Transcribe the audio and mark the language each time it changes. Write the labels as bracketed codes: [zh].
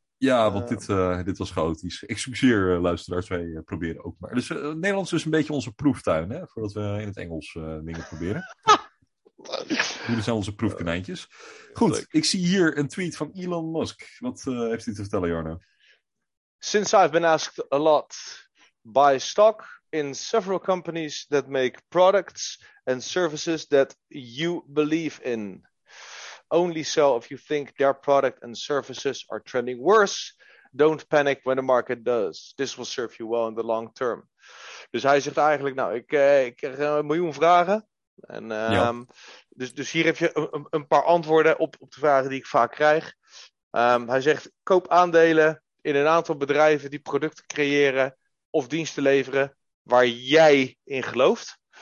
[nl] Ja, want dit was chaotisch. Ik succeer, luisteraars. Wij proberen ook maar. Dus Nederlands is een beetje onze proeftuin. Hè, voordat we in het Engels dingen proberen. Jullie zijn onze proefkonijntjes. Goed, leuk. Ik zie hier een tweet van Elon Musk. Wat heeft hij te vertellen, Jarno? [en] Since I've been asked a lot by stock in several companies that make products and services that you believe in. Only sell if you think their product and services are trending worse. Don't panic when the market does. This will serve you well in the long term. [nl] Dus hij zegt eigenlijk, nou, ik krijg een miljoen vragen. En, ja. Dus hier heb je een paar antwoorden op de vragen die ik vaak krijg. Hij zegt, koop aandelen in een aantal bedrijven die producten creëren of diensten leveren waar jij in gelooft.